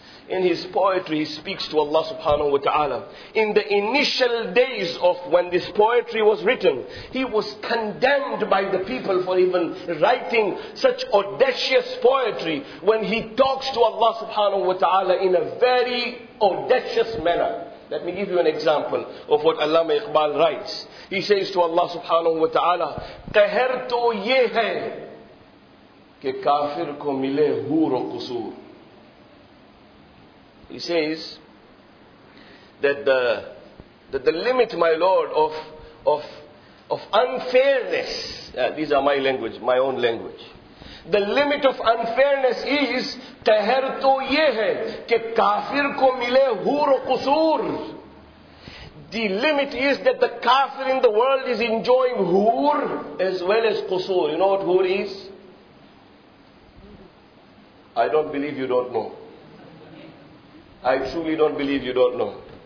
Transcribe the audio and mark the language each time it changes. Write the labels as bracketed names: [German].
[English] In his poetry, he speaks to Allah subhanahu wa ta'ala. In the initial days of when this poetry was written, he was condemned by the people for even writing such audacious poetry when he talks to Allah subhanahu wa ta'ala in a very audacious manner. Let me give you an example of what Allama Iqbal writes. He says to Allah subhanahu wa ta'ala, [Urdu] قَهَرْ تو یہ ہے کہ کافر کو ملے حور و قصور. [English] He says that the limit, my Lord, of unfairness, these are my language, my own language. The limit of unfairness is [Urdu] قَهَرْ تو یہ ہے کہ کافر کو ملے حور و قصور. [English] The limit is that the kafir in the world is enjoying hoor as well as qusur. You know what hoor is? I don't believe you don't know. I truly don't believe you don't know.